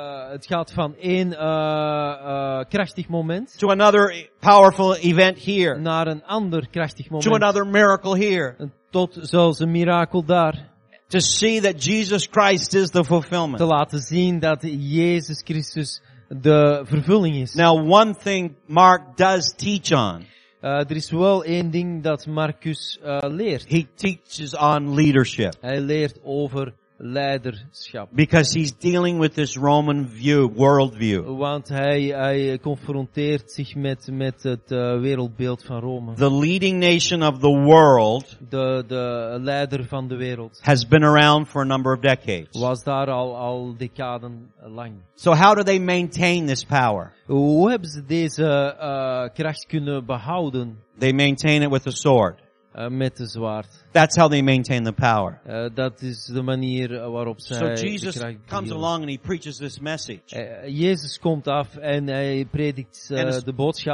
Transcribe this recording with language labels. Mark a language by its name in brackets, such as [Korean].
[Dutch] Het gaat van één krachtig moment. [English] To another powerful event here. [Dutch] Naar een ander krachtig moment. [English] To another miracle here. [Dutch] En tot zelfs een mirakel daar. [English] To see that Jesus Christ is the fulfillment. [Dutch] Te laten zien dat Jezus Christus de vervulling is. [English] Now one thing Mark does teach on. [Dutch] Er is wel één ding dat Marcus leert. [English] He teaches on leadership. [Dutch] Hij leert over leiderschap. [English] Because he's dealing with this Roman view, worldview. [Dutch] Want hij confronteert zich met het wereldbeeld van Rome. [English] The leading nation of the world. [Dutch] De leider van de wereld. [English] Has been around for a number of decades. [Dutch] Was daar al decaden lang. [English] So how do they maintain this power? [Dutch] Hoe hebben ze deze kracht kunnen behouden? [English] They maintain it with a sword. [Dutch] Met de zwaard. [English] That's how they maintain the power. [Dutch] Dat is de manier waarop zij. [English] So Jesus comes along and he preaches this message. [Dutch] Jezus komt af en hij predikt de boodschap.